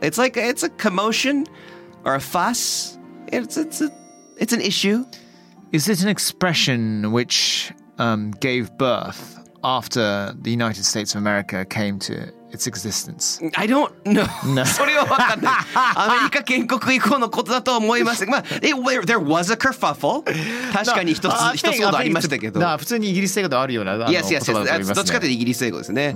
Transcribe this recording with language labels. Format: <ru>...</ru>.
<en>It's like it's a commotion or a fuss. It's an issue. Is it an expression which gave birth... After the United States of America came to its existence, I don't know.</en> <ja>No, それは分かんない。アメリカ建国以降のことだと思います。</ja> <en>まあ、there was a kerfuffle.</en> <ja>確かに一つほどありましたけど。な、普通にイギリス英語であるような。</ja> <en>Yes, yes, yes.</en> <ja>どっちかというとイギリス英語ですね。</ja>